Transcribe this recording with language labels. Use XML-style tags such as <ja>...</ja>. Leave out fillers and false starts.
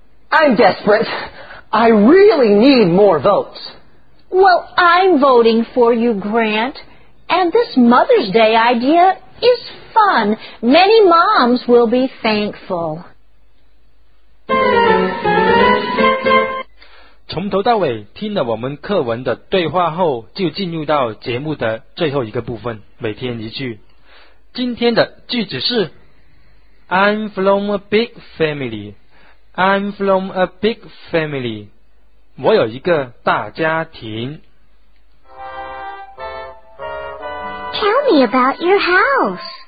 <en>I'm desperate. I really need more votes. Well, I'm voting for you, Grant. And this Mother's Day idea is fun. Many moms will be thankful.</en> <zh>从头到尾听了我们课文的对话后，就进入到节目的最后一个部分，每天一句。今天的句子是</zh> <en>I'm from a big family. I'm from a big family.</en> <zh>我有一个大家庭。</zh> <en>Tell me about your house.</en>